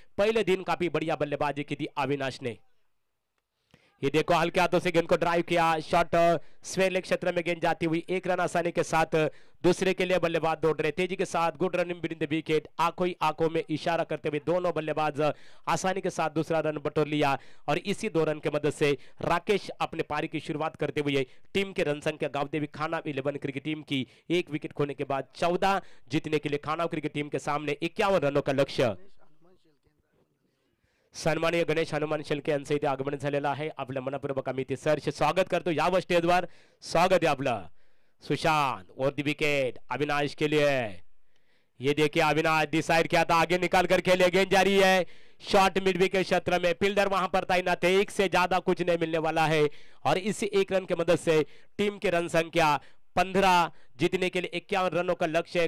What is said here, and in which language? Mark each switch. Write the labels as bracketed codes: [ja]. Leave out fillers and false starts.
[hi] पहले दिन काफी बढ़िया बल्लेबाजी की थी अविनाश ने। ये देखो हल्के हाथों से गेंद को ड्राइव किया शॉट स्वेयर लेग क्षेत्र में गेंद जाती हुई एक रन आसानी के साथ दूसरे के लिए बल्लेबाज दौड़ रहे तेजी के साथ [en] good running between the wicket [hi] आंखों में इशारा करते हुए दोनों बल्लेबाज आसानी के साथ दूसरा रन बटोर लिया और इसी दो रन के मदद से राकेश अपने पारी की शुरुआत करते हुए टीम के रन संख्या गांव देवी खानव 11 क्रिकेट टीम की एक विकेट खोने के बाद 14 जीतने के लिए खानव क्रिकेट टीम के सामने 51 रनों का लक्ष्य। [mr] सन्मान्य गणेश हनुमान शेलके यांचं इथे आगमन झालेलं आहे आपल्या मनपूर्वक आम्ही इथे सर्च स्वागत करतो यावर स्टेजवर स्वागत आहे आपलं। [hi] सुशांत और दी विकेट अविनाश के लिए। ये देखिए अविनाश डिसाइड किया था आगे निकाल कर खेले गेंद जा रही है शॉर्ट मिड विकेट क्षेत्र में फील्डर वहां पर तैनात है एक से ज्यादा कुछ नहीं मिलने वाला है और इसी एक रन के मदद से टीम के रन संख्या 15 जीतने के लिए 51 रनों का लक्ष्य है।